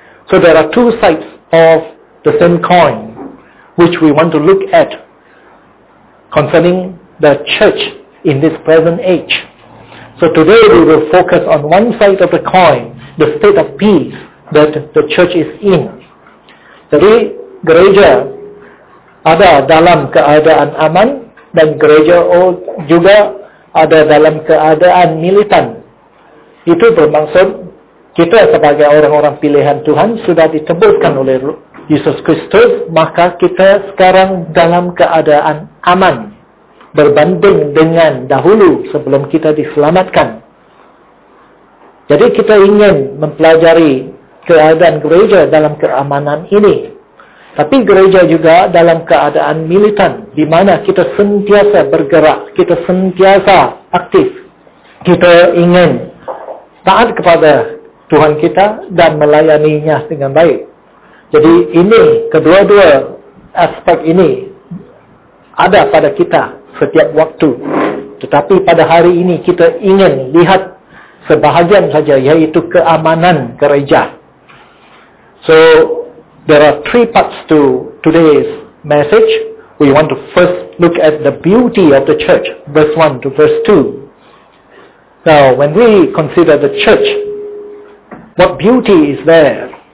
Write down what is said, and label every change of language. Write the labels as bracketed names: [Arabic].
[English] So there are two sides of the same coin which we want to look at concerning the church in this present age. So today we will focus on one side of the coin, the state of peace that the church is in. [Malay] Jadi gereja ada dalam keadaan aman dan gereja juga ada dalam keadaan militan. Itu bermaksud kita sebagai orang-orang pilihan Tuhan sudah ditebuskan oleh Yesus Kristus, maka kita sekarang dalam keadaan aman berbanding dengan dahulu sebelum kita diselamatkan. Jadi kita ingin mempelajari keadaan gereja dalam keamanan ini. Tapi gereja juga dalam keadaan militan, di mana kita sentiasa bergerak, kita sentiasa aktif. Kita ingin taat kepada Tuhan kita dan melayaninya dengan baik. Jadi ini, kedua-dua aspek ini ada pada kita setiap waktu. Tetapi pada hari ini kita ingin lihat sebahagian saja, yaitu keamanan gereja. [English] So there are three parts to today's message. We want to first look at the beauty of the church, verse 1 to verse 2. Now, when we consider the church, what beauty is there?